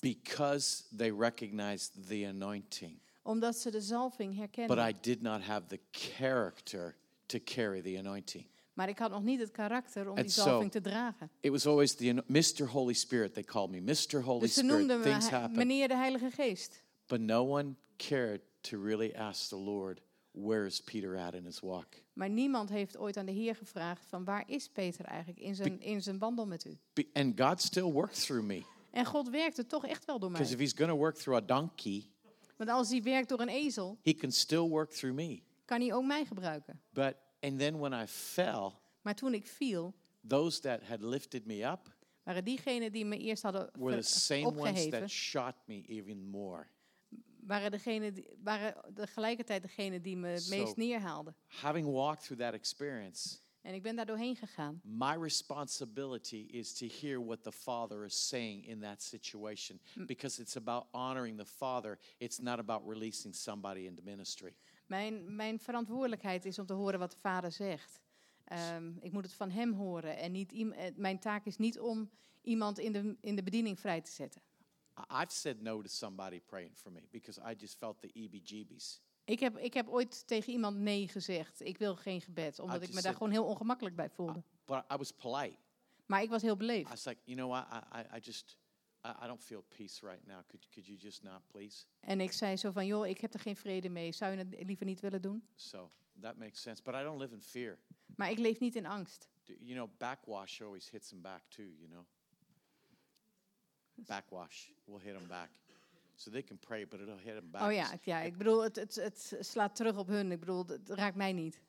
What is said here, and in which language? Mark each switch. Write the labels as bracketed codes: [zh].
[en] Because they recognized the anointing. [nl] Omdat ze de zalving herkenden. [en] But I did not have the character to carry the anointing. [nl] Maar ik had nog niet het karakter om die zalving te dragen. [en] It was always the Mr. Holy Spirit, they called me. Mr. Holy Spirit, things happen. [nl] Dus ze noemden me meneer de Heilige Geest. [en] But no one cared to really ask the Lord, where is Peter at in his walk? [nl] Maar niemand heeft ooit aan de Heer gevraagd van waar is Peter eigenlijk in zijn wandel met u? [en] And God still works through me. [nl] En God werkte toch echt wel door mij. [en] Because if He's going to work through a donkey, [nl] want als Hij werkt door een ezel, [en] He can still work through me. [nl] Kan Hij ook mij gebruiken? [en] But and then when I fell, [nl] maar toen ik viel, [en] those that had lifted me up, [nl] waren diegenen die me eerst hadden opgeheven, [en] were the same ones that shot me even more. [nl] Waren tegelijkertijd degene die me het meest neerhaalden. [en] Having walked through that experience. [nl] En ik ben daar doorheen gegaan. [en] My responsibility is to hear what the Father is saying in that situation. Because it's about honoring the Father. It's not about releasing somebody into ministry. [nl] Mijn verantwoordelijkheid is om te horen wat de Vader zegt. Ik moet het van Hem horen. En mijn taak is niet om iemand in de bediening vrij te zetten. [en] I've said no to somebody praying for me because I just felt the eebie-jeebies. [nl] Ik heb ooit tegen iemand nee gezegd. Ik wil geen gebed, omdat ik me daar gewoon heel ongemakkelijk bij voelde. [en] But I was polite. [nl] Maar ik was heel beleefd. [en] I was like, you know what? I don't feel peace right now. Could you just not please? [nl] En ik zei zo van, joh, ik heb er geen vrede mee. Zou je het liever niet willen doen? [en] So that makes sense. But I don't live in fear. [nl] Maar ik leef niet in angst. [en] You know, backwash always hits them back too. You know. Backwash, we'll hit them back. So they can pray, but it'll hit them back. [nl] Oh ja, ja. Ik bedoel, het slaat terug op hun. Ik bedoel, het raakt mij niet.